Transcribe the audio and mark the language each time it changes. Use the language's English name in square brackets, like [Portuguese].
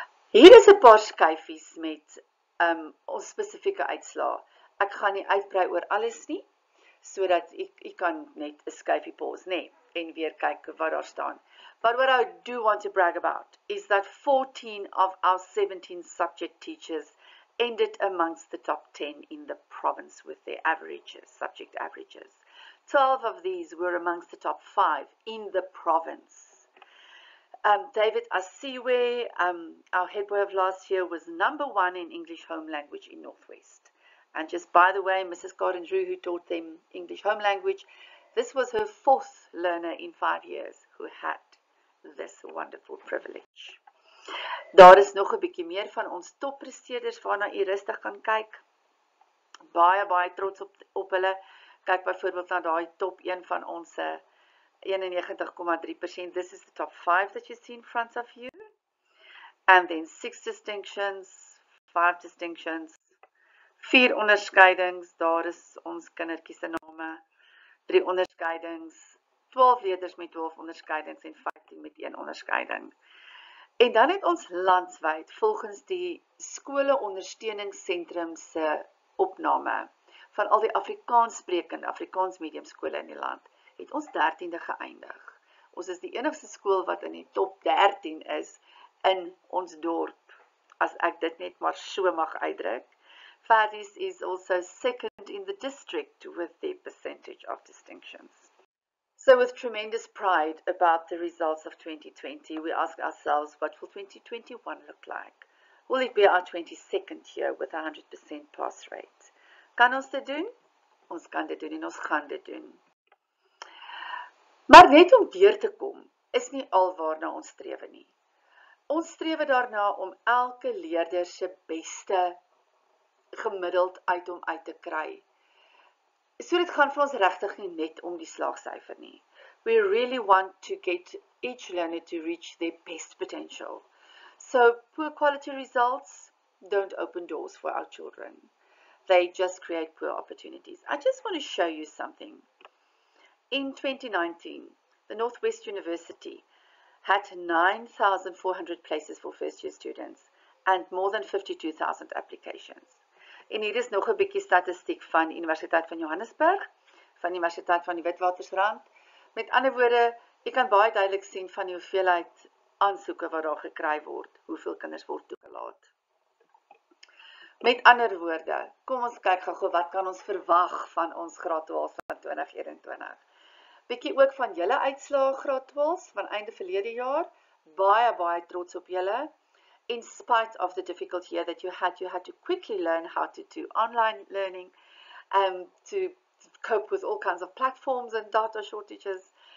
[Afrikaans] Hier is 'n paar skyfies met ons spesifieke uitslaa. Ek gaan nie uitbrei oor alles nie, sodat u kan net 'n skyfie pause, nê, en weer kyk wat daar staan. [English] But what I do want to brag about is that 14 of our 17 subject teachers ended amongst the top 10 in the province with their averages, subject averages. 12 of these were amongst the top 5 in the province. David Asiwe, our head boy of last year, was number 1 in English home language in Northwest. And just by the way, Mrs. Gordon Drew, who taught them English home language, this was her 4th learner in 5 years who had this wonderful privilege. [Afrikaans] Daar is nog 'n bietjie meer van ons toppresteerders waarna u rustig kan kyk. Baie trots op hulle. Kyk byvoorbeeld na daai top 1 van ons se 91.3%. [English] This is the top 5 that you see in front of you. And then 6 distinctions, 5 distinctions, 4 onderskeidings. [Afrikaans] Daar is ons kindertjies se name. 3 onderskeidings. 12 leerders met 12 onderskeidings en 15 met 1 onderskeiding. En dan het ons landwyd volgens die skoolondersteuningsentrum se opname van al die Afrikaans sprekende Afrikaans medium skole in die land, het ons 13de geëindig. Ons is die enigste skool wat in die top 13 is in ons dorp, as ek dit net maar so mag uitdruk. [English] Faddies is also second in the district with their percentage of distinctions. So with tremendous pride about the results of 2020, we ask ourselves, what will 2021 look like? Will it be our 22nd year with 100% pass rate? [Afrikaans] Kan ons dit doen? Ons kan dit doen en ons gaan dit doen. Maar net om deur te kom, is nie al waarna ons strewe nie. Ons strewe daarna om elke leerder se beste gemiddeld uit hom uit te kry. So dit gaan vir ons regtig nie net om die slaagsyfer nie. [English] We really want to get each learner to reach their best potential. So poor quality results don't open doors for our children. They just create poor opportunities. I just want to show you something. In 2019, the Northwest University had 9,400 places for first-year students and more than 52,000 applications. [Afrikaans] En hier is nog 'n bietjie statistiek van Universiteit van Johannesburg, van Universiteit van die Witwatersrand. Met ander woorde, jy kan baie duidelik sien van die hoeveelheid aansoeke wat daar gekry word, hoeveel kinders word toegelaat. Met ander woorde, kom ons kyk gou-gou wat kan ons verwag van ons graad 12 van 2021. Bietjie ook van julle uitslae graad 12 van einde verlede jaar. Baie baie trots op julle. [English] In spite of the difficult year that you had to quickly learn how to do online learning and to cope with all kinds of platforms and data shortages.